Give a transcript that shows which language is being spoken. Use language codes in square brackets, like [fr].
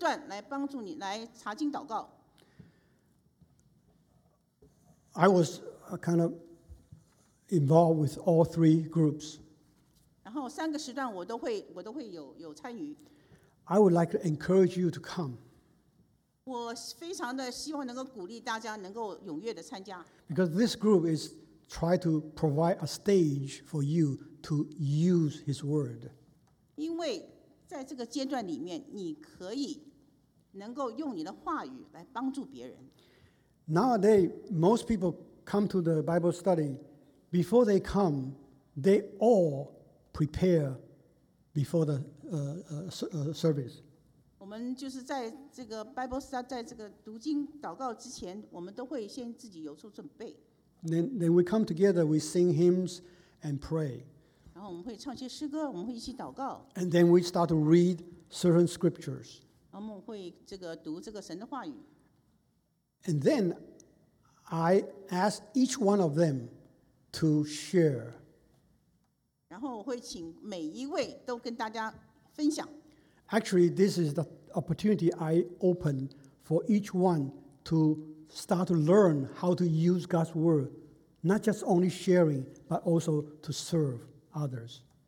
[zh] 我们的教会有三个时段来帮助你来查经祷告。 [en] I was kind of involved with all three groups. [zh] 然后三个时段我都会有参与。 [en] I would like to encourage you to come. [zh] 我非常的希望能够鼓励大家能够踊跃的参加。 [en] Because this group is try to provide a stage for you to use His word. [zh] 因为在这个阶段里面，你可以能够用你的话语来帮助别人。 [en] Nowadays, most people come to the Bible study. Before they come, they all prepare before the service. [zh] 我们就是在这个 Bible study， 在这个读经祷告之前，我们都会先自己有所准备。 [en] Then we come together, we sing hymns and pray. [zh] 然后我们会唱些诗歌, 我们会一起祷告。 [en] And then we start to read certain scriptures. [zh] 然后我们会读这个神的话语。 [en] And then I ask each one of them to share. [zh] 然后我会请每一位都跟大家分享。 [en] Actually, this is the opportunity I open for each one to start to learn how to use God's word, not just only sharing, but also to serve others.